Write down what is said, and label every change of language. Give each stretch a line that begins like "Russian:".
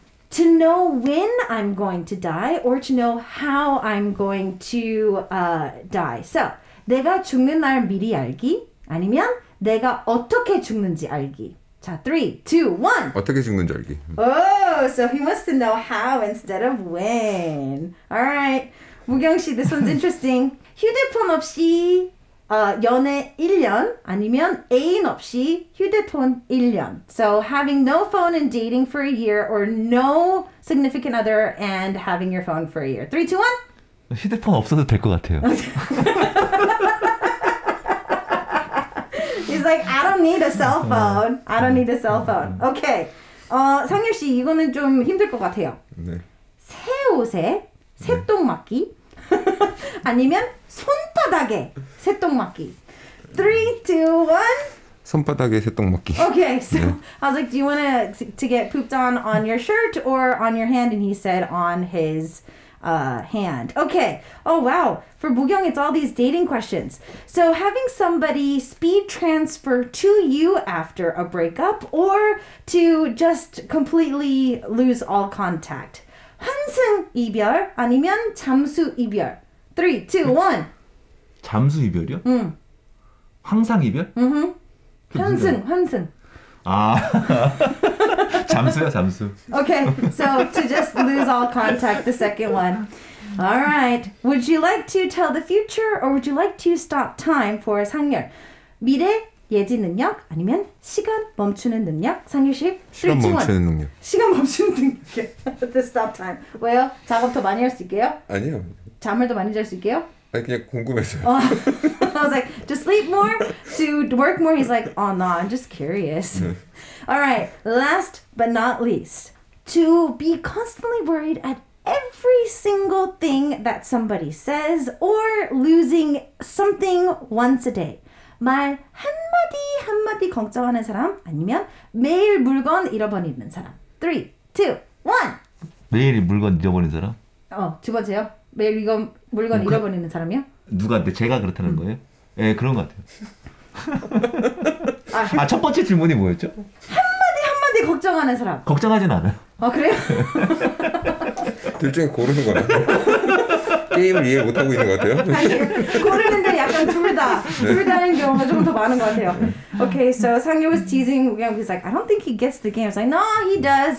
English: to know when I'm going to die or to know how I'm going to die.
Korean: So, 내가 죽는 날 미리 알기 아니면 내가 어떻게 죽는지 알기. 자, 3, 2, 1 어떻게 죽는지 알기.
English: Oh, so he wants to know how instead of when. All right. 무경 씨, this one's interesting.
Korean: 휴대폰 없이 연애 1년 아니면 애인 없이 휴대폰 1년.
English: So having no phone and dating for a year or no significant other and having your phone for a year.
Korean: 3, 2, 1. 휴대폰 없어도 될 것 같아요.
English: He's like, I don't need a cell phone. I don't need a cell phone. Okay.
Korean: 상열 씨, 이거는 좀 힘들 것 같아요. 네. 새 옷에 새똥 맞기 아니면 손바닥에 새똥 맞기. 3, 2, 1. 손바닥에 새똥 맞기.
English: Okay, so 네. I was like, do you want to get pooped on your shirt or on your hand? And he said on his hand. Okay. Oh, wow. For Bugyeong, it's all these dating questions. So having somebody speed transfer to you after a breakup or to just completely lose all contact.
Korean: 환승 이별 아니면 잠수 이별. 3, 2, 1. 잠수 이별이요? 응. 항상 이별? 응. 환승, 환승. 아. 잠수야, 잠수.
English: Okay, so to just lose all contact, the second one. All right. Would you like to tell the future or would you like to stop time for 상열?
Korean: 미래 예지 능력 아니면 시간 멈추는 능력? 상열 씨? 시간 멈추는 능력. 시간 멈추는 능력.
English: The stop time.
Korean: 왜요? 작업 더 많이 할 수 있게요? 아니요. 잠을 더 많이 잘 수 있게요? 아니 그냥 궁금해서요.
English: I was like, to sleep more, to work more. He's like, oh no, I'm just curious. 네. All right, last but not least, to be constantly worried at every single thing that somebody says or losing something once a day.
Korean: 말 한마디 한마디 걱정하는 사람 아니면 매일 물건 잃어버리는 사람. 3, 2, 1. 매일 물건 잃어버리는 사람? 두 번째요. 매일 이거 물건 그, 잃어버리는 사람이요? 누가 근데 제가 그렇다는 거예요? 예, 그런 것 같아요. 아, 첫 번째 질문이 뭐였죠? 한마디 한마디 걱정하는 사람. 걱정하진 않아요. 아, 그래요? 둘 중에 고르는 거 같아요. 게임을 이해 못하고 있는 것 같아요. 고르는데 약간 둘 다. 네. 둘 다인 경우가 조금 더 많은 것 같아요.
English: Okay, so Sangyeo was teasing Woo-young. He's like, I don't think he gets the game. I was like, no, he does.